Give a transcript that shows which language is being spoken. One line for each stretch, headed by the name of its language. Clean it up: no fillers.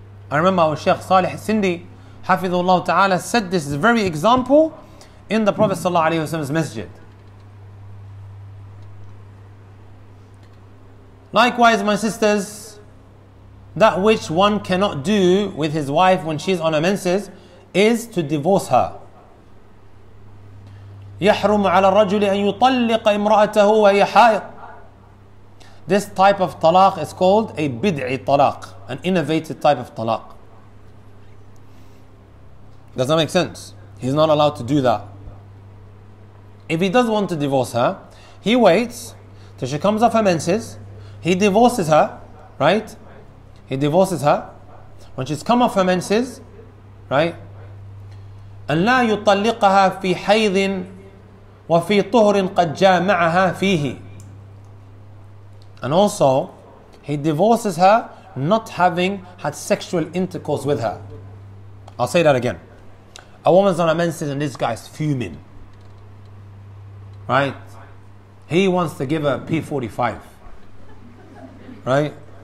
English: I remember our Shaykh Salih Sindi, Hafidhahullah ta'ala, said this very example in the Prophet sallallahu alayhi wa sallam's masjid. Likewise, my sisters, that which one cannot do with his wife when she's on her menses is to divorce her.
Arabic: يحرم على الرجل أن يطلق امرأته وهي حائض.
English: This type of talaq is called a bid'i talaq, an innovative type of talaq. Does that make sense? He's not allowed to do that. If he does want to divorce her, he waits till she comes off her menses, he divorces her, right? He divorces her. When she's come off her menses, right?
Arabic: أن لا يطلقها في حيض وفي طهر قد جامعها فيه.
English: And also, he divorces her not having had sexual intercourse with her. I'll say that again. A woman's on a menses and this guy's fuming. Right? He wants to give her P45. Right?